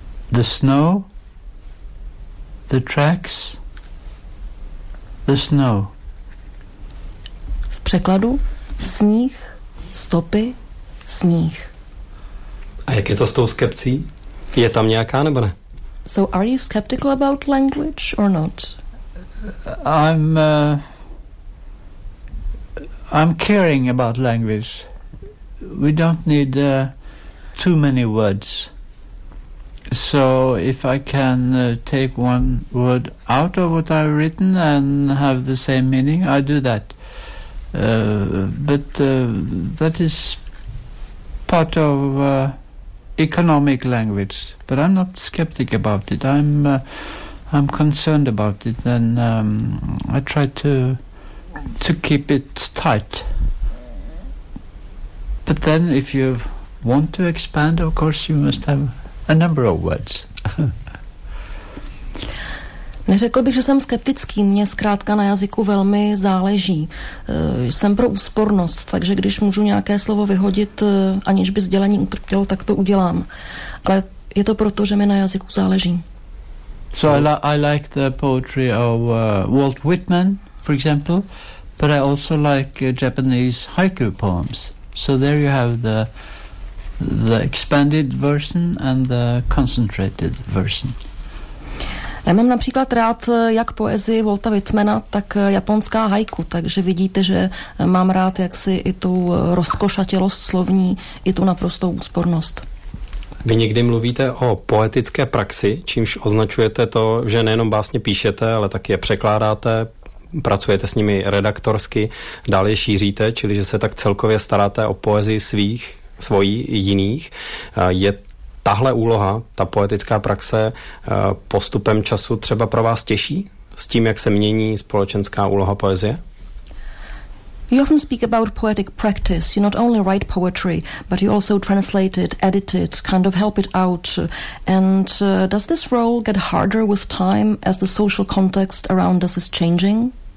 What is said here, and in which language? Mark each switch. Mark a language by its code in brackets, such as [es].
[en] The snow, the tracks, the snow. [cs] V překladu sníh, stopy, sníh. A jak je to s tou skepcí? Je tam nějaká nebo ne? [en] So are you skeptical about language or not? I'm caring about language. We don't need too many words. So if I can take one word out of what I've written and have the same meaning, I do that. But that is part of economic language. But I'm not skeptic about it. I'm concerned about it, and I try to keep it tight. But then if you want to expand, of course you must have a number of words. [cs] Neřekl bych, že jsem skeptický. Mně zkrátka na jazyku velmi záleží. Jsem pro úspornost, takže když můžu nějaké slovo vyhodit, aniž by sdělení utrpělo, tak to udělám. Ale je to proto, že mi na jazyku záleží. [en] So I like the poetry of Walt Whitman, for example, but I also like Japanese haiku poems. So there you have the expanded version and the concentrated version. [cs] Já mám například rád jak poezii Walta Whitmana, tak japonská haiku, takže vidíte, že mám rád jaksi i tu rozkošatělost slovní, i tu naprostou úspornost. Vy někdy mluvíte o poetické praxi, čímž označujete to, že nejenom básně píšete, ale taky je překládáte, pracujete s nimi redaktorsky, dál je šíříte, čili že se tak celkově staráte o poezii svojí jiných. Je tahle úloha, ta poetická praxe, postupem času třeba pro vás těžší s tím, jak se mění společenská úloha poezie? [en] You often speak about poetic practice. You not only write poetry, but you also translate it, edit it, kind of help it out. And does this role get harder with time as the social context around us is changing?